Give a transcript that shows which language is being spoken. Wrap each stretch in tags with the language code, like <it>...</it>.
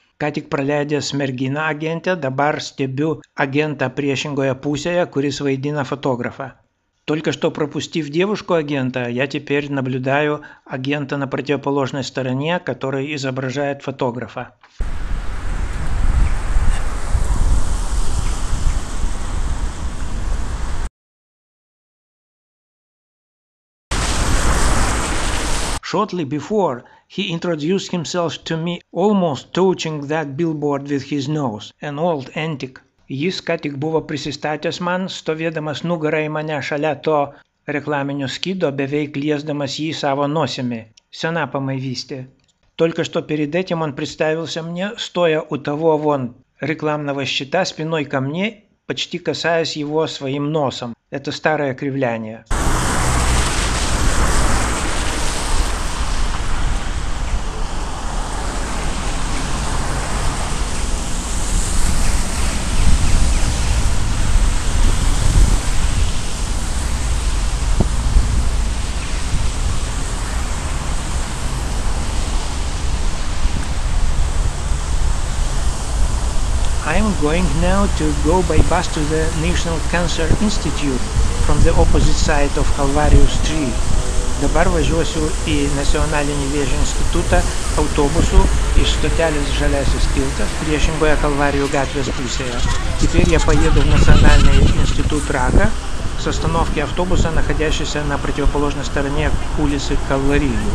<lt>Ką tik praleidęs merginą agentę, dabar stebiu agentą priešingoje pusėje, kuris vaidina fotografą.</lt> <ru>Только что пропустив девушку агента, я теперь наблюдаю агента на противоположной стороне, который изображает фотографа.</ru> <en>Shortly before, he introduced himself to me, almost touching that billboard with his nose, an old antique.</en> <lt>Jis ką tik buvo prisistatęs man, stovėdamas nugarą į mane šalia to reklaminio skydo, beveik liesdamas jį savo nosimi. Sena pamaivystė.</lt> <ru>Только что перед этим он представился мне, стоя у того вон рекламного щита спиной ко мне, почти касаясь его своим носом. Это старое кривляние.</ru> <en>Going now to go by bus to the National Cancer Institute from the opposite side of Calvarius Street.</en> <lt>Dabar važiuosiu į Nacionalinį vėžio institutą autobusu iš stotelės Žaliasis tiltas priešingoje Kalvarijų gatvės pusėje.</lt> <ru>Теперь я поеду в Национальный институт рака с остановки автобуса, находящейся на противоположной стороне улицы Калварию.</ru>